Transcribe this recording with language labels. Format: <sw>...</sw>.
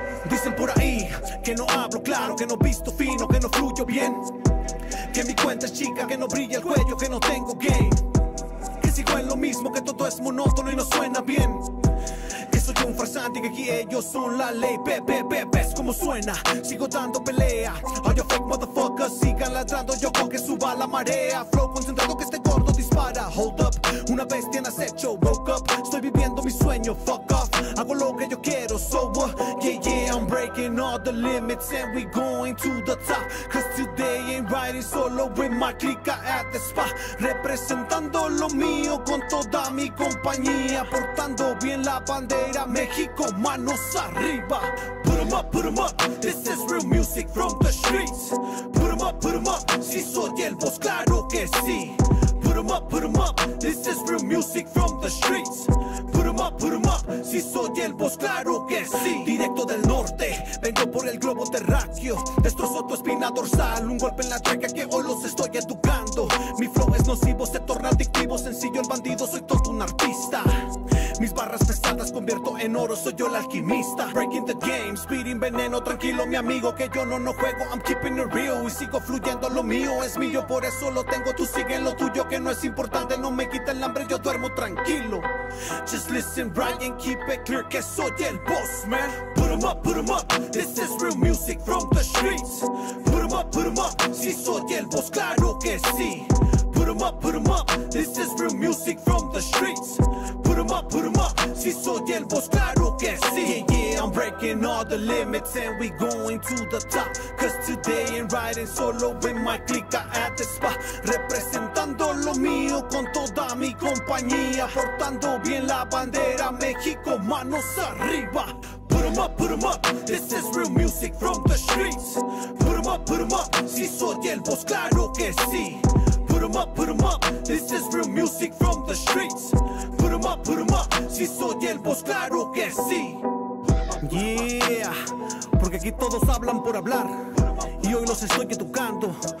<es>Dicen por ahí que no hablo claro, que no visto fino, que no fluyo bien, que mi cuenta es chica, que no brilla el cuello, que no tengo game, que sigo en lo mismo, que todo es monótono y no suena bien, que soy un farsante y que aquí ellos son la ley. Pepe, pepe, es como suena, sigo dando pelea.</es> <en>All you fake motherfuckers</en> <es>sigan ladrando, yo con que suba la marea. Flow concentrado que este gordo dispara.</es> <en>Hold up,</en> <es>una bestia en acecho.</es> <en>Woke up,</en> <es>estoy viviendo mi sueño.</es> <en>Fuck off,</en> <es>hago lo que yo quiero.</es> <en>So what? Yeah, yeah, I'm breaking all the limits and we going to the top. Cause today ain't riding solo with my clica at the spa.</en> <es>Representando lo mío con toda mi compañía. Portando bien la bandera, México, manos arriba.</es> <en>Put 'em up, put 'em up. This is real music from the streets. Put 'em up, put 'em up.</en> <es>Si soy el voz, claro que sí.</es> <en>Put 'em up, put 'em up. This is real music from the streets. Put 'em up, put 'em up.</en> <es>Si soy el voz, claro que sí. Directo del norte, vengo por el globo terráqueo. Destrozo tu espina dorsal, un golpe en la tráquea que hoy los estoy educando. Mi flow es nocivo, se torna adictivo. Sencillo el bandido, soy todo un artista. Mis barras pesadas convierto en oro, soy yo el alquimista.</es> <en>Breaking the game, speeding</en> <es>veneno, tranquilo mi amigo, que yo no juego,</es> <en>I'm keeping it real.</en> <es>Y sigo fluyendo, lo mío es mío, por eso lo tengo, tú sigue lo tuyo, que no es importante, no me quita el hambre, yo duermo tranquilo.</es> <en>Just listen right and keep it clear,</en> <es>que soy el boss,</es> <en>man. Put 'em up, put 'em up, this is real music from the streets. Put 'em up, put 'em up,</en> <es>si soy el boss, claro que sí.</es> <en>Put 'em up, put 'em up, this is real music from the streets.</en> <es>Put 'em up, put 'em up, si soy el boss, claro que sí.</es> <en>Yeah, yeah, I'm breaking all the limits and we going to the top. Cause today I'm riding solo with my clica at the spot.</en> <es>Representando lo mío con toda mi compañía. Portando bien la bandera, México, manos arriba.</es> <en>Put 'em up, put 'em up, this is real music from the streets. Put 'em up,</en> <es>si soy el boss, claro que sí.</es> <en>Put 'em up, this is real music from the streets. Put 'em up,</en> <es>si soy el boss, claro que sí. Yeah, porque aquí todos hablan por hablar. Y hoy los estoy educando.</es>